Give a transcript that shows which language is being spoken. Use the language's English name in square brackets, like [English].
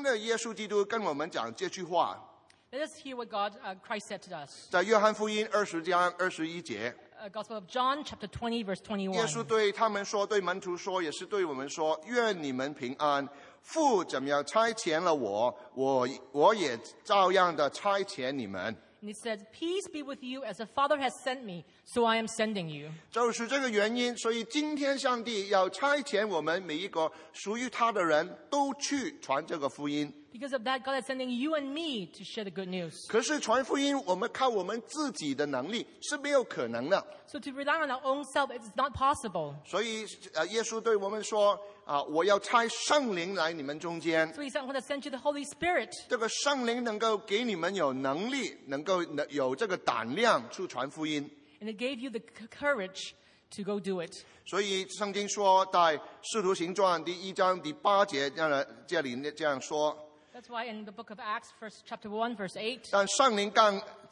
[Chinese] 好了，我们明白了上帝的意思之后，我们要听了耶稣基督跟我们讲这句话。 [English] Let us hear what God Christ said to us. [Chinese] 在约翰福音20章21节。 [English] Gospel of John chapter 20 verse 21. [Chinese] 耶稣对他们说，对门徒说，也是对我们说，愿你们平安。父怎么样差遣了我，我也照样的差遣你们。 [English] And he said, Peace be with you as the Father has sent me, so I am sending you. [Chinese] 就是这个原因，所以今天上帝要差遣我们每一个属于他的人都去传这个福音。 [English] Because of that, God is sending you and me to share the good news. [Chinese] 可是传福音，我们靠我们自己的能力是没有可能的。 [English] So to rely on our own self, it is not possible. [Chinese] 所以耶稣对我们说， 我要差圣灵来你们中间。 [English] So he said, I'm going to send you the Holy Spirit. [Chinese] 这个圣灵能够给你们有能力， 能够有这个胆量去传福音。 [English] And it gave you the courage to go do it. [Chinese] 所以圣经说， 在使徒行传第1章第8节，这里这样说。 [English] That's why in the book of Acts, first chapter 1, verse 8.